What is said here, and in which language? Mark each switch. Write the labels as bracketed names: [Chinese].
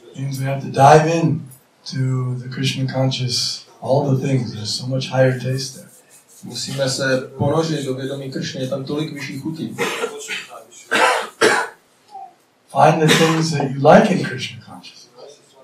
[English] Means we have to dive in to the Krishna conscious, all the things. There's so much higher taste there. [Czech] Musíme se ponořit do vědomí Krishny, je tam tolik vyšší chutí. [English] Find the things that you like in Krishna consciousness.